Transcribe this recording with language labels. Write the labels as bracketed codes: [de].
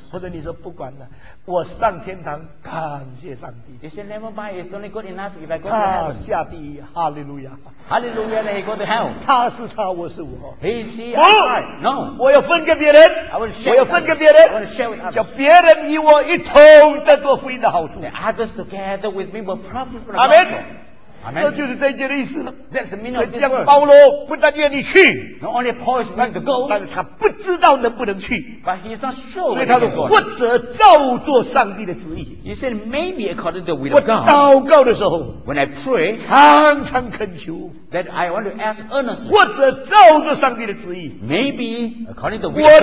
[zh] 或者你说不管了，我上天堂感谢上帝。 [en] You say never mind, it's only good enough if I go to heaven. [zh] 他下地狱 ，Hallelujah。 [en] Hallelujah, then he go to hell. [zh] 他是他，我是我。 [en] He is he, I am I. No. [zh] 我要分给别人。 [en] I want to share. [zh] 我要分给别人。 [en] I want to share with others. [zh] 叫别人与我一。通得多福音的好处。 [en] The others together with me will profit from the gospel. Amen. [zh] 这就是这节的意思。 [en] That's the meaning of this word. [zh] 所以保罗不但愿意去 [en] ，Not only Paul is willing to go， [zh] 但是他不知道能不能去。 [en] But he is not sure. [zh] 所以他说，或者照做上帝的旨意。 [en] He said maybe according to the will of God. [zh] 我祷告的时候 [en] ，When I pray， [zh] 常常恳求 [en] ，That I want to ask earnestly， [zh] 或者照做上帝的旨意。 [en] Maybe according to the will of God，